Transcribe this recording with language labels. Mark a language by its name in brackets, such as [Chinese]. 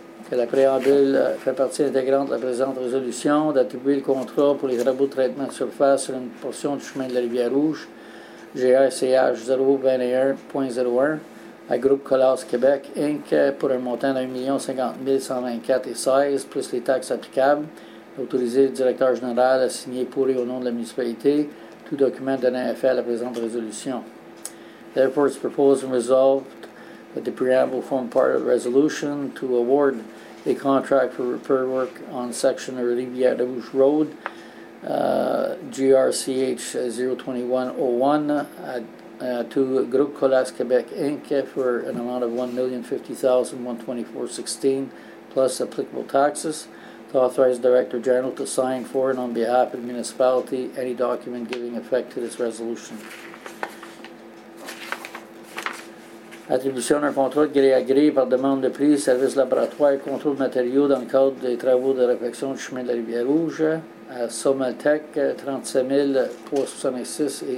[French] Que la préambule fait partie intégrante de la présente résolution d'attribuer le contrat pour les travaux de traitement de surface sur une portion du chemin de la Rivière Rouge, GRCH 021.01. À Groupe Colas Québec, Inc., pour un montant d'$1,050,124.16, plus les taxes applicables, d'autoriser le directeur général à signer pour et au nom de la municipalité tout document donnant effet à la présente résolution. [English] Therefore, it's proposed and resolved that the preamble form part of the resolution to award a contract for repair work on section of Rivière Rouge Road, GRCH 02101, to Groupe Colas Québec Inc. for an amount of $1,050,124.16 plus applicable taxes. To authorize Director General to sign for and on behalf of the municipality any document giving effect to this resolution. [French] Attribution d'un contrat gré à gré par demande de prix, service laboratoire, contrôle de matériaux dans le cadre des travaux de réfection du chemin de la Rivière Rouge à Sommeltech, $37,376.80.